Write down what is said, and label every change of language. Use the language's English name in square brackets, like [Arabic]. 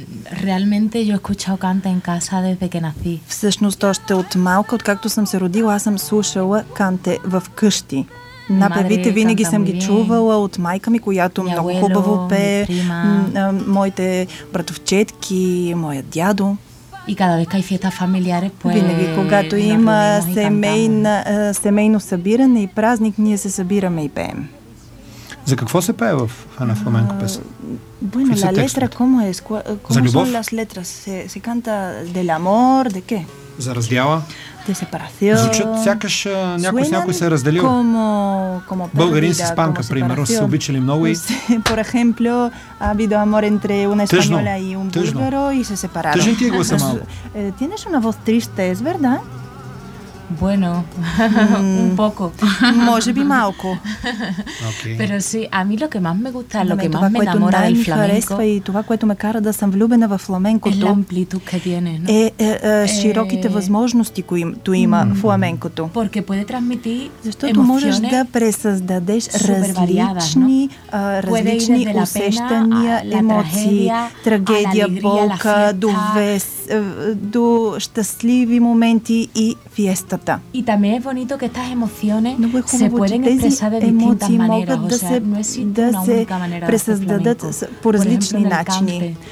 [Spanish] Realmente yo he escuchado canta en casa desde que nací. [Bulgarian] Всъщност, още от малка, откакто съм се родила, аз съм слушала канте в къщи. Напевите винаги съм ги чувала от майка ми, която много хубаво пее, моите братовчетки, моя дядо. [Spanish] И cada vez que hay fiestas familiares, pues [Bulgarian] винаги, когато има семейно събиране и празник, ние се събираме и пеем. За какво се пее в една фламенко песен? [Spanish] Bueno, la letra, ¿cómo es? ¿Cómo son las letras? Se canta del amor, ¿de qué? [Bulgarian] За раздяла. [Spanish] De separación. [Bulgarian] Звучат сякаш някой се е разделил. [Spanish] Como perdida, [Bulgarian] българин с испанка, примерно, се обичали много и... [Spanish] Por ejemplo, ha habido amor entre una española y un búlgaro y se separaron. [Bulgarian] Тъжен ти е гласа малко. [Spanish] Tienes una voz triste, ¿es verdad? Bueno, un poco. [Bulgarian] Може би малко. [Spanish] Pero sí, a mí lo que más me gusta, lo que más me enamora del flamenco, [Bulgarian] и това, което ме кара да съм влюбена в фламенкото, е широките възможности, които има фламенкото. [Spanish] Porque puede transmitir emociones. [Bulgarian] Защото можеш да пресъздадеш различни усещания, емоции, трагедия, болка, до щастливи моменти и фиеста. [Spanish] Y también es bonito que estas emociones no, pues, se pueden expresar de distintas maneras, [Bulgarian] могат да се, [Spanish] o sea, [Bulgarian] да се пресъздадат по различни начини.